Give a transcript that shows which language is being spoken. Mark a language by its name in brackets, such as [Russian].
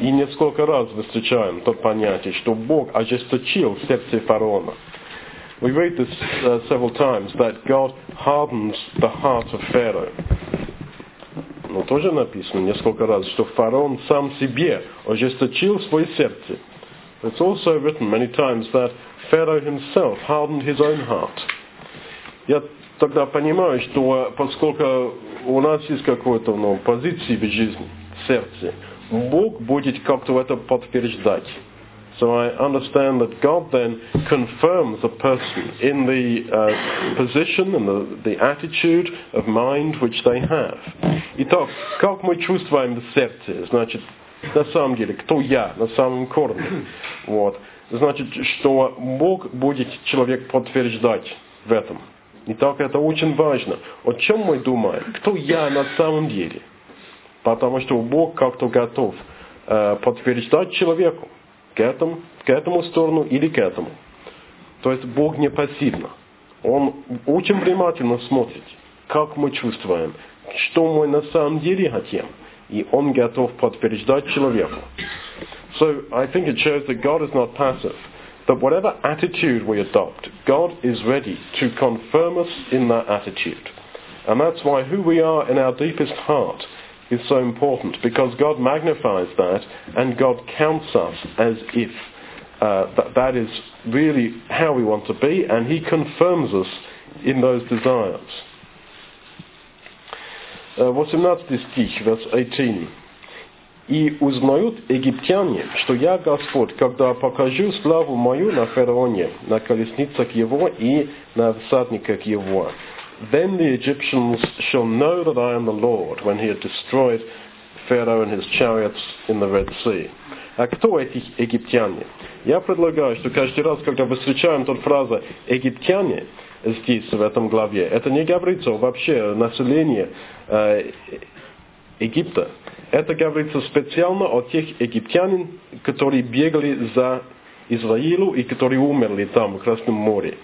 [Russian] И несколько раз мы встречаем то понятие, что Бог ожесточил сердце фараона. [English] We read this several times, that God hardens the heart of Pharaoh. [Russian] Но тоже написано несколько раз, что фараон сам себе ожесточил свое сердце. [English] It's also written many times that Pharaoh himself hardened his own heart. [Russian] Я тогда понимаю, что поскольку у нас есть какой-то позиции в жизни, в сердце, Бог будет как-то это подтверждать. [English] So I understand that God then confirms a person in the position and the attitude of mind which they have. [Russian] Итак, как мы чувствуем сердце? Значит, на самом деле, кто я на самом корне? Вот. Значит, что Бог будет человек подтверждать в этом. Итак, это очень важно. О чем мы думаем? Кто я на самом деле? Потому что Бог как-то готов подтверждать человеку. К этому сторону или к этому. То есть Бог не пассивно. Он очень внимательно смотрит, как мы чувствуем, что мы на самом деле хотим. И Он готов подтверждать человеку. [English] So I think it shows that God is not passive. That whatever attitude we adopt, God is ready to confirm us in that attitude. And that's why who we are in our deepest heart is so important, because God magnifies that and God counts us as if that is really how we want to be, and He confirms us in those desires. [Russian] 18 стих, [English] verse 18. [Russian] «И узнают египтяне, что я Господь, когда покажу славу мою на фараоне, на колесницах его и на всадниках его». [English] Then the Egyptians shall know that I am the Lord when he had destroyed Pharaoh and his chariots in the Red Sea. [Russian] А кто эти египтяне? Я предлагаю, что каждый раз, когда мы встречаем тут фразу «египтяне» здесь, в этом главе, это не говорится вообще о населении Египта. Это говорится специально о тех египтянин, которые бегали за Израилу и которые умерли там, в Красном море.